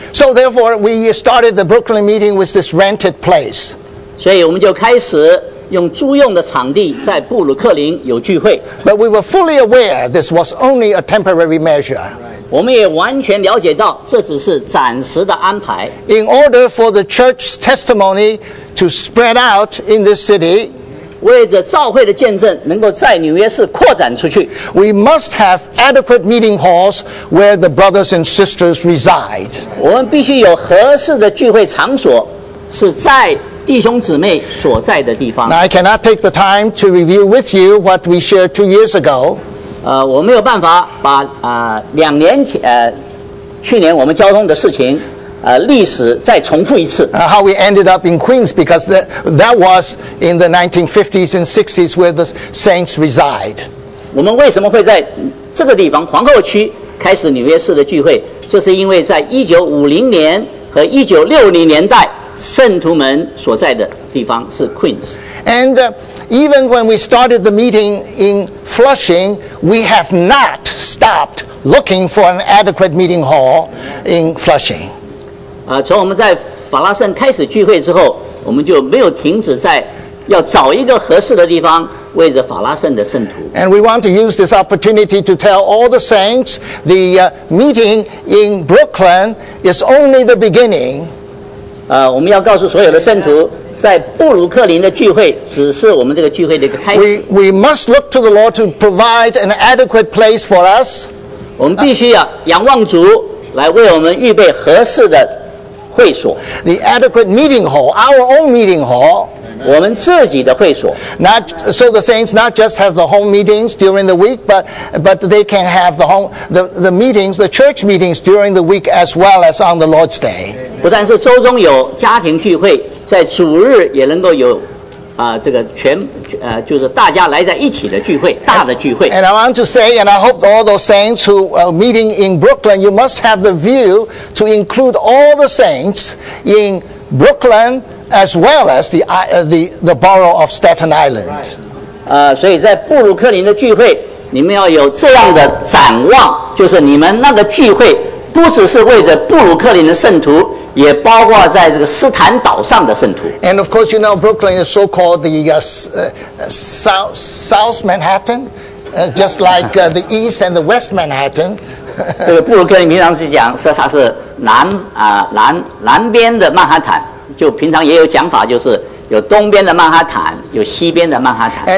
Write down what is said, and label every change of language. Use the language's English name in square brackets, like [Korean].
[English] So therefore, we started the Brooklyn meeting with this rented place. [Chinese] 所以我们就开始用租用的场地在布鲁克林有聚会。 [English] But we were fully aware this was only a temporary measure. [Chinese] 我们也完全了解到这只是暂时的安排。 [English] In order for the church's testimony to spread out in this city. [Chinese] 为着召会的见证能够在纽约市扩展出去 [English] We must have adequate meeting halls where the brothers and sisters reside. [Chinese] 我们必须有合适的聚会场所是在弟兄姊妹所在的地方 [English] Now, I cannot take the time to review with you what we shared 2 years ago. [Chinese] 我没有办法把两年前去年我们交通的事情历史再重复一次。 [English] How we ended up in Queens because that was in the 1950s and 60s where the saints reside. [Chinese] 我们为什么会在这个地方皇后区开始纽约市的聚会？这是因为在1950年和1960年代圣徒们所在的地方是 Queens. [English] And even when we started the meeting in Flushing, we have not stopped looking for an adequate meeting hall in Flushing. [Chinese] 从我们在法拉盛开始聚会之后，我们就没有停止在要找一个合适的地方为着法拉盛的圣徒。 [English] And we want to use this opportunity to tell all the saints the meeting in Brooklyn is only the beginning. [Chinese] 我们要告诉所有的圣徒，在布鲁克林的聚会只是我们这个聚会的一个开始。 [English] We must look to the Lord to provide an adequate place for us. [Chinese] 我们必须要仰望主来为我们预备合适的。 [English] The adequate meeting hall, our own meeting hall, [Chinese] 我们自己的会所 [English] not, so the saints not just have the home meetings during the week, but they can have the meetings, the church meetings during the week as well as on the Lord's Day. [Chinese] 不但是周中有家庭聚会，在主日也能够有这个全就是大家来在一起的聚会，大的聚会。 [English] And I want to say, and I hope all those saints who are meeting in Brooklyn, you must have the view to include all the saints in Brooklyn as well as the borough of Staten Island. [Chinese] 所以在布鲁克林的聚会，你们要有这样的展望，就是你们那个聚会不只是为着布鲁克林的圣徒。也包括在这个斯坦岛上的圣徒。 [English] And of course, you know, Brooklyn is so-called the South Manhattan, just like the East and the West Manhattan. [Chinese] 这个布鲁克林平常是讲说它是南南边的曼哈坦，就平常也有讲法，就是有东边的曼哈坦，有西边的曼哈坦。